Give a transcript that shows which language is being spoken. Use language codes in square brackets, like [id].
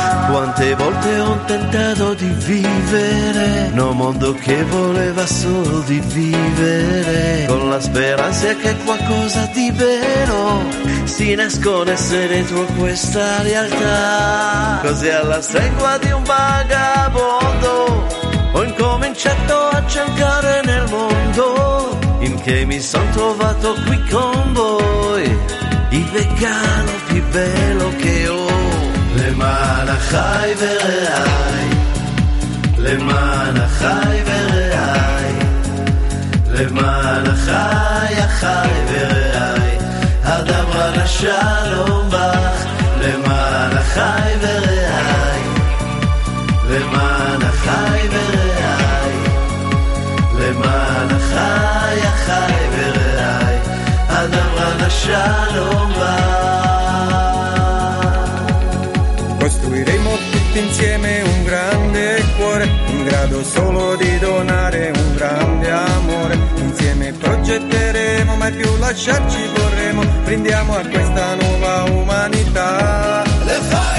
[it] Quante volte ho tentato di vivere, no mondo che voleva solo di vivere, con la speranza che qualcosa di vero si nascondesse dentro questa realtà. Così alla stregua di un vagabondo ho incominciato a cercare nel mondo, in che mi son trovato qui con voi, il vegano più bello che ho. [he] למען אחי ורעי, למען אחי ורעי, למען אחי, אחי ורעי, אדברה לשלום בך. למען אחי ורעי, למען אחי ורעי, למען אחי, אחי ורעי, אדברה לשלום בך. [it] Costruiremo tutti insieme un grande cuore, in grado solo di donare un grande amore. Insieme progetteremo, mai più lasciarci vorremo, brindiamo a questa nuova umanità.